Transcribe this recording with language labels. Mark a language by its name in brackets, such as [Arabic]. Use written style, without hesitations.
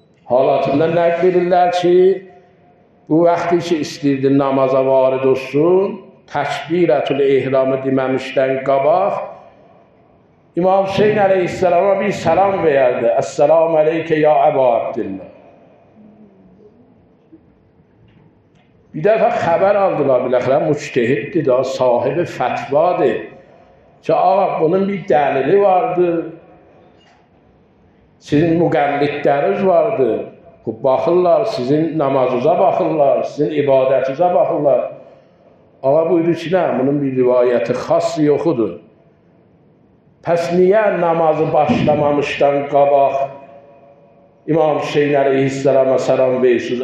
[Azerbaijani] Halatında nə bilirlər ki, bu vəxti ki, istəyirdi namaza varid olsun, təkbirətül ihramı deməmişdən qabaq, İmam Hüseyin əleyhissəlama bir səlam verdi. [Arabic] Əs-səlamu əleykə, ya Əbu Əbdillah. [Azerbaijani] Bir dəfə xəbər aldılar, biləxilə, müçtəhiddir da, sahibi fətvadır. Ki, ağa, bunun bir dəlili vardır. Sizin müqəllidləriniz vardır. Baxırlar, sizin namazınıza baxırlar, sizin ibadətinizə baxırlar. Ağa buyurdu ki, nə? Bunun bir rivayəti xas yoxudur. Pəs niyə namazı başlamamışdan qabaq İmam Hüseyin əleyhissəlamə salam versiniz?